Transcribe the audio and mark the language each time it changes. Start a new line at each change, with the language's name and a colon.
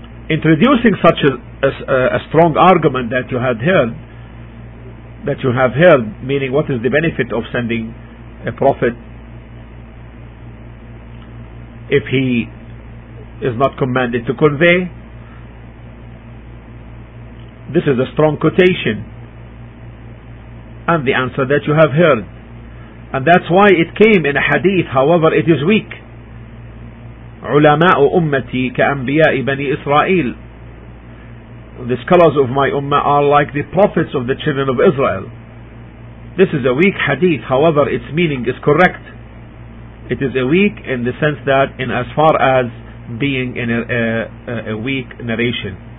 English: Introducing such a strong argument that you had heard, that you have heard, meaning what is the benefit of sending a prophet if he is not commanded to convey, this is a strong quotation and the answer that you have heard. And that's why it came in a hadith, however it is weak.
Arabic: علماء أمتي كأنبياء بني إسرائيل.
English: The scholars of my ummah are like the prophets of the children of Israel. This is a weak hadith, however its meaning is correct. It is a weak in the sense that in as far as being in a weak narration.